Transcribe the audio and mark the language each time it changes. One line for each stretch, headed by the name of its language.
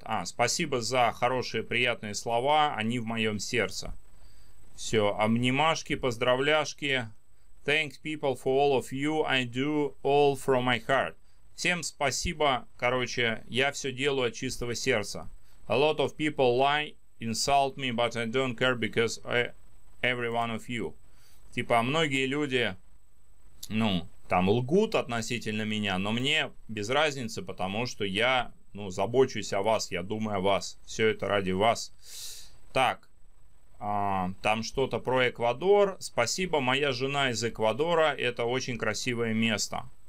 Russian: А, спасибо за хорошие, приятные слова. Они в моем сердце. Все, обнимашки, поздравляшки.
English: Thanks people for all of you. I do all from my heart.
Russian: Всем спасибо. Короче, я все делаю от чистого сердца.
English: A lot of people lie, insult me, but I don't care because every one of you.
Russian: Типа, многие люди... Ну, там лгут относительно меня, но мне без разницы, потому что я, ну, забочусь о вас, я думаю о вас. Все это ради вас. Так, там что-то про Эквадор. Спасибо, моя жена из Эквадора, это очень красивое место.